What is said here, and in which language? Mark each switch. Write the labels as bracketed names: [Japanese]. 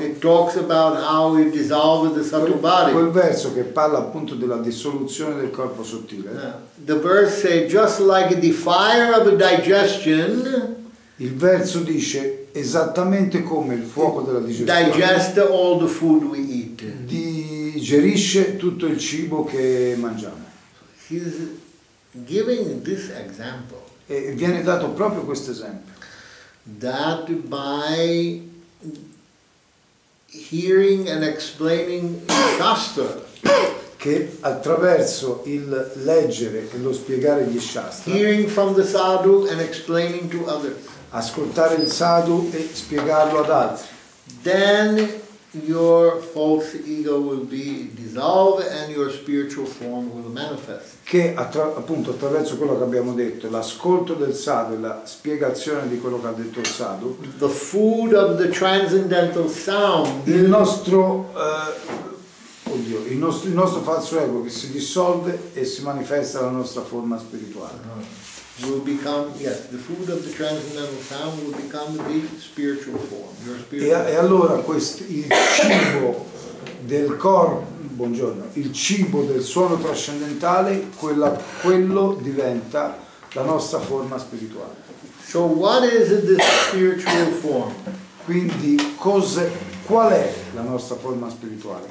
[English] it talks about how it dissolves the subtle body. [Italian] Quel verso che parla appunto della dissoluzione del corpo sottile. [English] Yeah. The verse say just like the fire of a digestion. [Italian] Il verso dice esattamente come il fuoco della digestione. [English] Digest all the food we eat. [Italian] Digerisce tutto il cibo che mangiamo. [English] He's giving this example. [Italian] E viene dato proprio questo esempio. [English] That by hearing and explaining shastra, [Italian] che attraverso il leggere e lo spiegare gli shastra, [English] hearing from the sadhu and explaining to others, [Italian] ascoltare il sadhu e spiegarlo ad altri, [English] then your false ego will be dissolved and your spiritual form will manifest. [Italian] Che appunto attraverso quello che abbiamo detto, l'ascolto del sadhu e la spiegazione di quello che ha detto il sadhu, [English] the food of the transcendental sound, [Italian] il nostro falso ego che si dissolve e si manifesta la nostra forma spirituale. [English] Will become, yes, the food of the transcendental sound will become the spiritual form. Your spiritual [Italian] e allora questo il cibo del corpo, buongiorno, il cibo del suono trascendentale, quello diventa la nostra forma spirituale. [English] So what is the spiritual form? [Italian] Quindi cos'è, qual è la nostra forma spirituale?